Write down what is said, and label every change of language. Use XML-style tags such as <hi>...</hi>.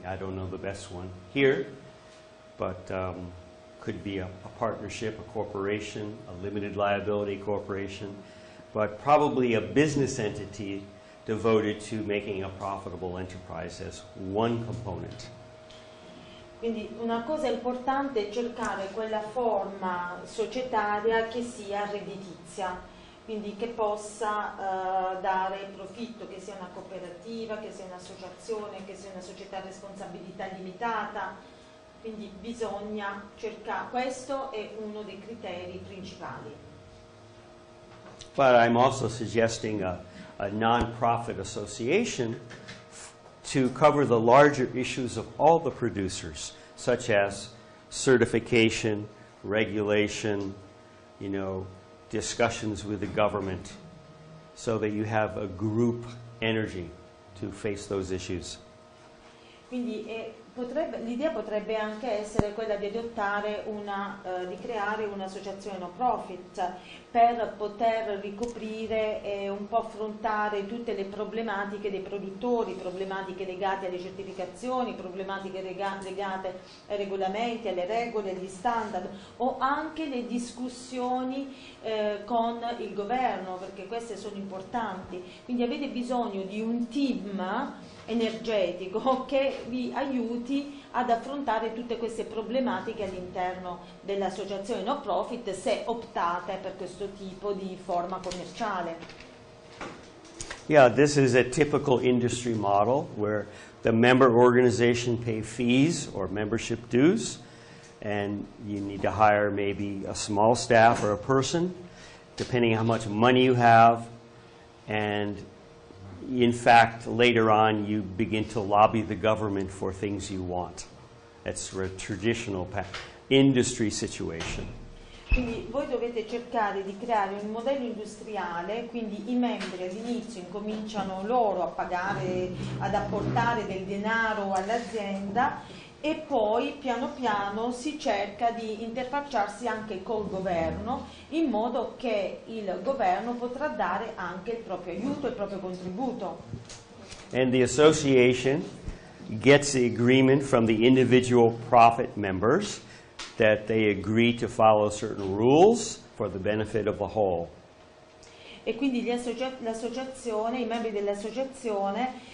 <en>I don't know the best one here, but could be a partnership, a corporation, a limited liability corporation, but probably a business entity devoted to making a profitable enterprise as one component.</en> <it>Quindi una cosa importante è cercare quella forma societaria che sia redditizia, quindi che possa dare profitto, che sia una cooperativa, che sia un'associazione, che sia una società a responsabilità limitata. Quindi bisogna cercare, questo è uno dei criteri principali.</it> <en>But I'm also suggesting a non-profit association to cover the larger issues of all the producers, such as certification, regulation, you know, discussions with the government, so that you have a group energy to face those issues.</en> <it>Quindi l'idea potrebbe anche essere quella di adottare di creare un'associazione no profit per poter ricoprire e un po' affrontare tutte le problematiche dei produttori, problematiche legate alle certificazioni, problematiche legate ai regolamenti, alle regole, agli standard o anche le discussioni con il governo, perché queste sono importanti. Quindi avete bisogno di un team energetico che vi aiuti ad affrontare tutte queste problematiche all'interno dell'associazione no profit se optate per questo tipo di forma commerciale.</it> <en>Yeah, this is a typical industry model where the member organization pay fees or membership dues and you need to hire maybe a small staff or a person depending how much money you have and in fact, later on, you begin to lobby the government for things you want. That's a traditional industry situation.</en> <it>Quindi voi dovete cercare di creare un modello industriale, quindi i membri all'inizio incominciano loro a pagare, ad apportare del denaro all'azienda e poi piano piano si cerca di interfacciarsi anche col governo in modo che il governo potrà dare anche il proprio aiuto, il proprio contributo.</it> <en>And the association gets the agreement from the individual profit members that they agree to follow certain rules for the benefit of the whole.</en> <it>E quindi l'associazione, i membri dell'associazione</it>